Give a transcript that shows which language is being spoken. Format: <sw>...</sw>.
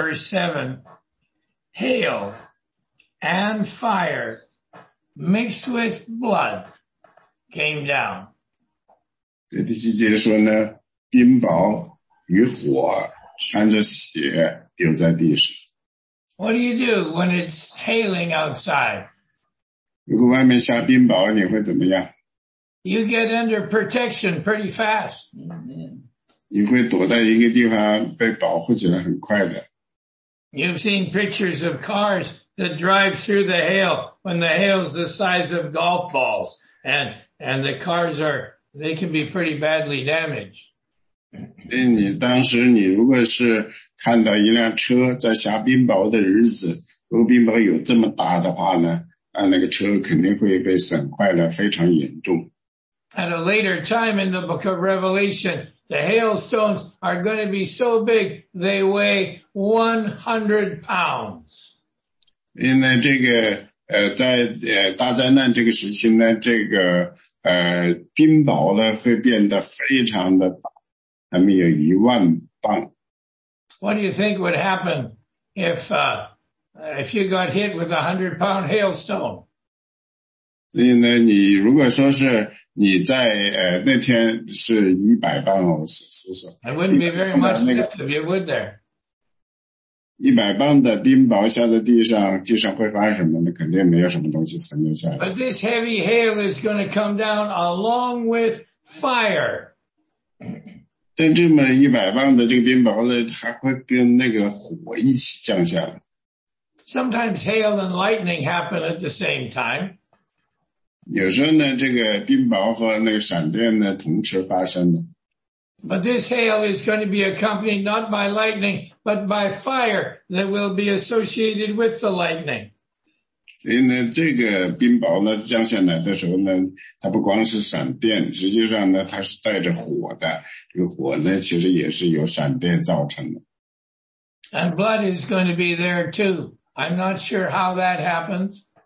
<en>Verse 7, Hail and fire mixed with blood came down.</en> <zh>这第七节说呢，冰雹与火穿着血丢在地上。</zh> <en>What do you do when it's hailing outside?</en> <zh>如果外面下冰雹，你会怎么样？</zh> <en>You get under protection pretty fast.</en> <zh>你会躲在一个地方被保护起来很快的。</zh> <en>You've seen pictures of cars that drive through the hail when the hail's the size of golf balls and the cars are, they can be pretty badly damaged.</en> <zh>你当时你如果是看到一辆车在下冰雹的日子，如果冰雹有这么大的话呢，那个车肯定会被损坏了非常严重。</zh> <en>At a later time in the book of Revelation, the hailstones are going to be so big, they weigh 100 pounds.</en> <zh>因为这个在大灾难这个时期呢，这个冰雹呢会变得非常的大，他们有一万磅。</zh> <en>What do you think would happen if you got hit with a 100-pound hailstone?</en> <zh>所以呢，你如果说是你在那天是100磅哦，是。</zh> <en>It wouldn't be very much left of you, would there?</en> <zh>100磅的冰雹下在地上会发生什么呢？肯定没有什么东西存留下来。</zh> <en>But this heavy hail is going to come down along with fire.</en> <zh>但这么100磅的这个冰雹呢，还会跟那个火一起降下来。</zh> <en>Sometimes hail and lightning happen at the same time.</en> <zh>有时候呢，这个冰雹和那个闪电呢，同时发生的。</zh> <en>But this hail is going to be accompanied not by lightning, but by fire that will be associated with the lightning.</en> <zh>所以呢，这个冰雹呢降下来的时候呢，它不光是闪电，实际上呢，它是带着火的。这个火呢，其实也是由闪电造成的。</zh> <en>And blood is going to be there too. I'm not sure how that happens.</en>